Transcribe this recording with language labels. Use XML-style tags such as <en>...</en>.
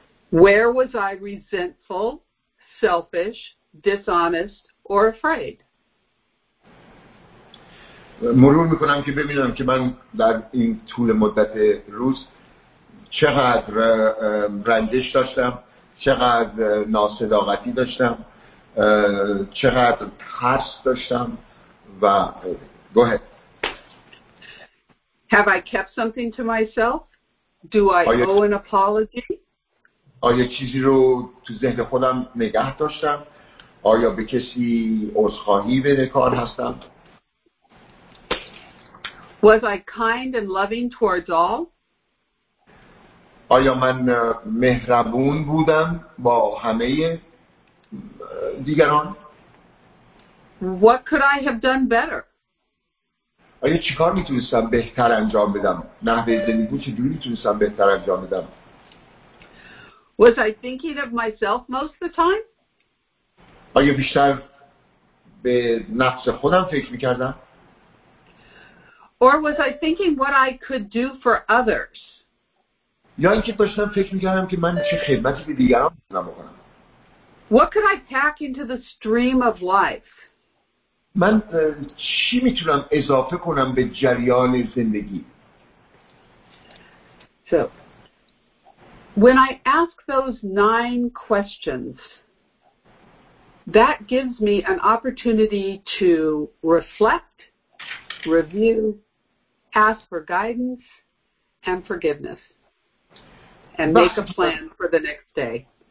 <en>Where was I resentful, selfish, dishonest, or afraid?</en> <fa>مرور میکنم که ببینم که من در این طول مدت روز چقدر رنجش داشتم، چقدر ناصداقتی داشتم، چقدر ترس داشتم و</fa> <en>go ahead. Have I kept something to myself? Do I owe an apology?</en> <fa>آیا چیزی رو تو ذهن خودم نگه داشتم؟ آیا به کسی عذرخواهی بده کار هستم؟</fa> <en>Was I kind and loving towards all?</en> <fa>آیا من مهربون بودم با همه دیگران؟</fa> <en>What could I have done better?</en> <fa>آیا چیکار میتونستم بهتر انجام بدم؟ نحوه زندگی چجوری میتونستم بهتر انجام بدم؟</fa> <en>Was I thinking of myself most of the time?</en> <fa>آیا بیشتر به نفس خودم فکر میکردم؟</fa> <en>Or was I thinking what I could do for others?</en> <fa>یا اینکه داشتم فکر میکردم که من چه خدمتی به دیگران میتونم بکنم؟</fa> <en>What could I pack into the stream of life?</en> <fa>من چی میتونم اضافه کنم به جریان زندگی؟</fa> <en>So, when I ask those 9 questions, that gives me an opportunity to reflect, review, ask for guidance and forgiveness, and make a plan for the next day.</en>